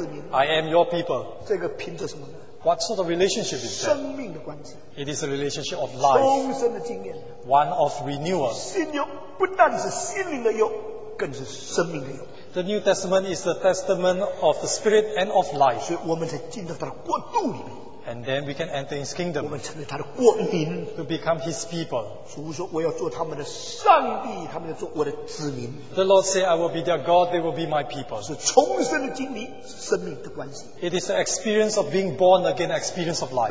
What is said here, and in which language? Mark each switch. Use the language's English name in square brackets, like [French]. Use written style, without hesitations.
[English] I am your people. [Chinese] 这个凭着什么呢? [English] What sort of relationship is that? [Chinese] 生命的关系, [English] it is a relationship of life. [Chinese] 重生的经验, [English] one of renewal. [Chinese] 信用不但是心灵的用, [English] the New Testament is the testament of the Spirit and of life. [Chinese] 所以我们才进入他的国度里面, [English] and then we can enter his kingdom. [Chinese] 我们成为他的国民, [English] to become his people. [Chinese] 主说我要做他们的上帝, 他们要做我的子民, [English] the Lord said, I will be their God, they will be my people. [Chinese] 是重生的经历, 是生命的关系, [English] it is the experience of being born again, experience of life.